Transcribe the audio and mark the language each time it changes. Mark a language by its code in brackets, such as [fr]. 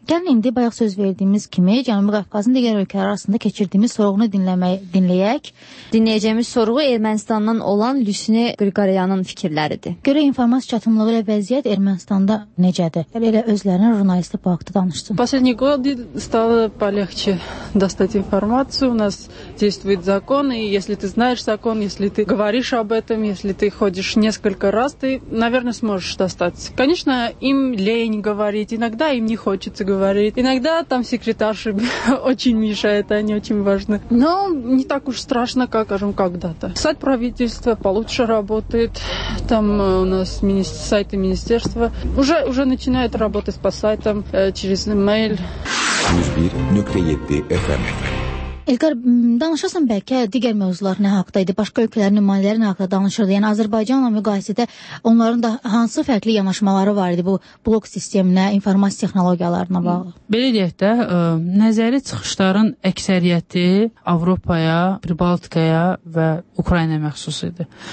[az] Gəlin indi bayaq söz verdiyimiz kimi Cənubi Qafqazın digər ölkələr arasında keçirdiyimiz sorğunu dinləyək. Dinləyəcəyimiz sorğu Ermənistandan olan Lüsni Qriqoryanın fikirləridir. Görək informasiya çatımlığı ilə vəziyyət Ermənistanda necədir? Elə özlərinin jurnalisti bu haqda danışsın. [ru] Последний год стало полегче достать информацию. У нас действует закон, и если ты знаешь закон, если ты говоришь об этом, если ты ходишь несколько раз, ты, наверное, сможешь достать. Конечно, им лень говорить, иногда им не хочется говорить. Иногда там секретарши очень мешают, они очень важны. Но не так уж страшно, как, скажем, когда-то. Сайт правительства получше работает. Там у нас сайты министерства уже начинают работать по сайтам через email. 101.7 FM. [az] İlqar, danışasın bəlkə digər mövzular nə haqdaydı, başqa ölkələrin nümayəndələri nə haqda danışırdı? Yəni, Azərbaycanla müqayisədə onların da hansı fərqli yanaşmaları var idi bu blok sisteminə, informasiya texnologiyalarına bağlı? Belə deyək də, nəzəri çıxışların əksəriyyəti Avropaya, Baltikaya və Ukrayna məxsus idi.